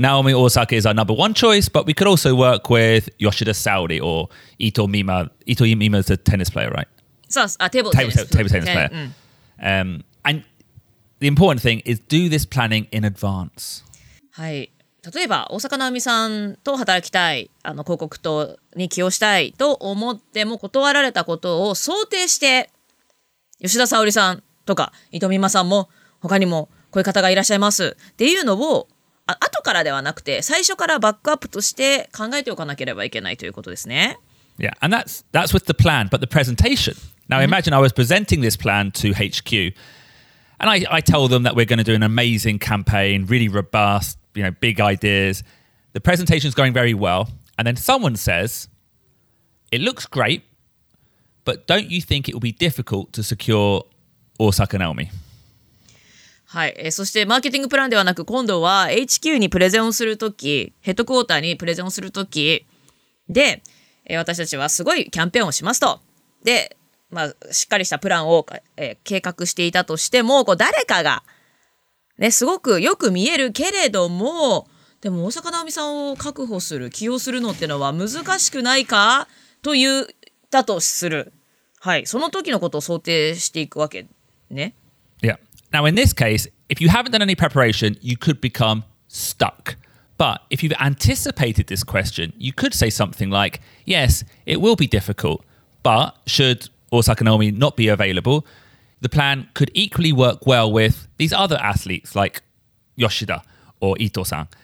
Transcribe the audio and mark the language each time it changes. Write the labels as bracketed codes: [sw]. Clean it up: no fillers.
[en] Naomi Osaka is our number one choice, but we could also work with Yoshida Saori or Ito Mima is a tennis player, right? Table tennis player. And the important thing is do this planning in advance. [ja] はい。例えば、大阪直美さんと働きたい、あの広告塔に起用したいと思っても断られたことを想定して、吉田沙織さんとか伊藤美誠さんも他にもこういう方がいらっしゃいますっていうのを後からではなくて最初からバックアップとして考えておかなければいけないということですね。 [en] Yeah, and that's with the plan, but the presentation. Now imagine I was presenting this plan to HQ and I tell them that we're going to do an amazing campaign, really robust, you know, big ideas. The presentation is going very well and then someone says, it looks great, but don't you think it will be difficult to secure Osaka Naomi? [ja] はい、そしてマーケティングプランではなく今度は HQ にプレゼンをするとき、ヘッドクォーターにプレゼンをするときで、私たちはすごいキャンペーンをしますと、で、まあ、しっかりしたプランを、計画していたとしても、こう誰かが、ね、すごくよく見えるけれども、でも大阪直美さんを確保する、起用するのってのは難しくないかと言ったとする、はい、その時のことを想定していくわけね。 [en] Now, in this case, if you haven't done any preparation, you could become stuck. But if you've anticipated this question, you could say something like, yes, it will be difficult, but should Osaka Naomi not be available, the plan could equally work well with these other athletes like Yoshida or Ito-san.